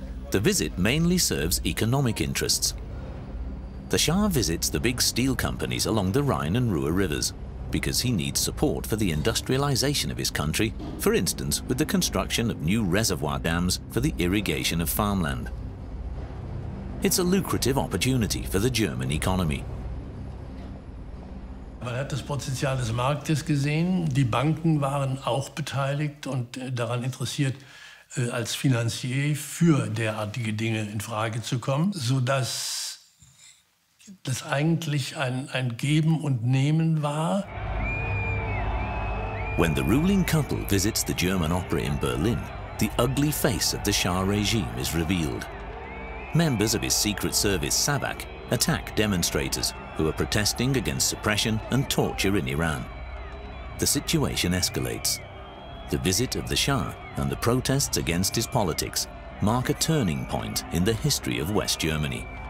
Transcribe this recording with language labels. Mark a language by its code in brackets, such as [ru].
[en] The visit mainly serves economic interests. The Shah visits the big steel companies along the Rhine and Ruhr rivers because he needs support for the industrialization of his country, for instance, with the construction of new reservoir dams for the irrigation of farmland. It's a lucrative opportunity for the German economy. [de] Man hat das Potenzial des Marktes gesehen. Die Banken waren auch beteiligt und daran interessiert, als Finanzier für derartige Dinge in Frage zu kommen, sodass das eigentlich ein Geben und Nehmen war. [en] When the ruling couple visits the German opera in Berlin, the ugly face of the Shah regime is revealed. Members of his secret service, SABAK, attack demonstrators who are protesting against suppression and torture in Iran. The situation escalates. The visit of the Shah and the protests against his politics mark a turning point in the history of West Germany.